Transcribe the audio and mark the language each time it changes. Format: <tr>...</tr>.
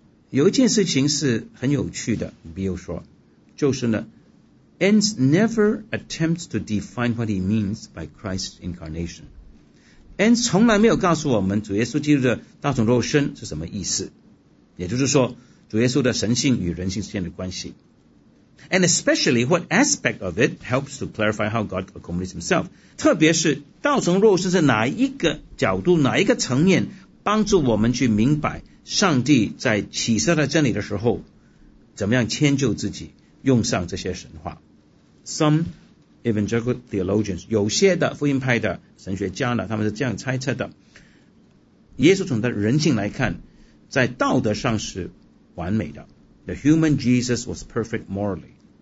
<zh>有一件事情是很有趣的， Bill 说，就是呢</zh> <en>Ence never attempts to define what he means by Christ's incarnation.</en> <zh>Ence 从来没有告诉我们主耶稣基督的道成肉身是什么意思，也就是说主耶稣的神性与人性之间的关系。</zh> <en>And especially what aspect of it helps to clarify how God accommodates himself.</en> <zh>特别是道成肉身是哪一个角度，哪一个层面帮助我们去明白上帝在启示在真理的时候怎么样迁就自己，用上这些神话。</zh> <en>Some evangelical theologians,</en> <zh>有些的福音派的神学家呢，他们是这样猜测的，耶稣从他人性来看在道德上是完美的，</zh> <en>The human Jesus was perfect morally.</en>